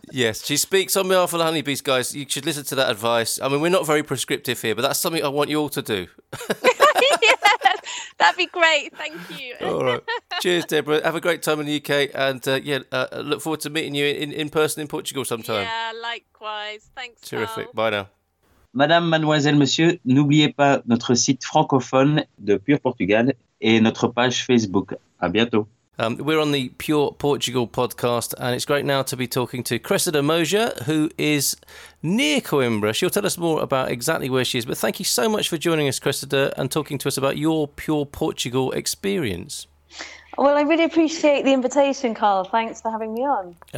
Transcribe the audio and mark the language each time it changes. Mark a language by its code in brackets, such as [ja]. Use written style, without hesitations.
[en] Yes, she speaks on behalf of the honeybees, guys. You should listen to that advice. I mean, we're not very prescriptive here, but that's something I want you all to do. Yes, that'd be great. Thank you. All right. Cheers, Deborah. Have a great time in the UK. And look forward to meeting you in person in Portugal sometime. Yeah, likewise. Thanks, terrific. Bye now. [fr] Madame, mademoiselle, monsieur, n'oubliez pas notre site francophone de Pure Portugal et notre page Facebook. À bientôt. [en] We're on the Pure Portugal podcast, and it's great now to be talking to Cressida Moja, who is near Coimbra. She'll tell us more about exactly where she is. But thank you so much for joining us, Cressida, and talking to us about your Pure Portugal experience. Well, I really appreciate the invitation, Carl. Thanks for having me on.